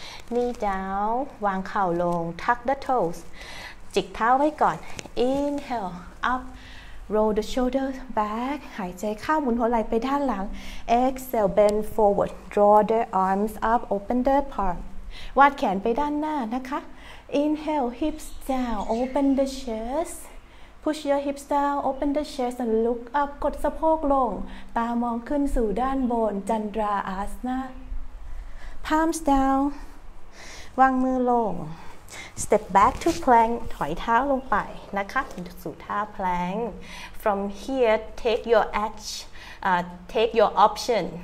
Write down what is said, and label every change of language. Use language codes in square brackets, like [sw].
[en] Knee down. [th] วางเข่าลง [en] Tuck the toes. [th] จิกเท้าไว้ก่อน [en] Inhale. Up. Roll the shoulders back. [th] หายใจเข้าหมุนหัวไหล่ไปด้านหลัง Exhale. [en] Bend forward. Draw the arms up. Open the palm. [th] วาดแขนไปด้านหน้านะคะ Inhale. [en] Hips down. Open the chest. Push your hips down, open the chest and look up. [th] กดสะโพกลงตามองขึ้นสู่ด้านบนจันทราอาสนะ [en] Palms down. [th] วางมือลง [en] Step back to plank. [th] ถอยเท้าลงไปนะคะสู่ท่า plank. [en] From here, take your action. Take your option.